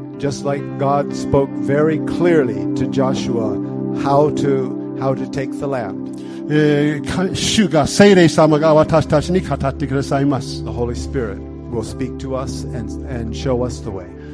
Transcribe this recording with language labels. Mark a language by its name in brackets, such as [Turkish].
[English] Just like God spoke very clearly to Joshua how to take the land. [Japanese] 主が聖霊様が私たちに語ってくださいます。 [English] The Holy Spirit will speak to us and show us the way.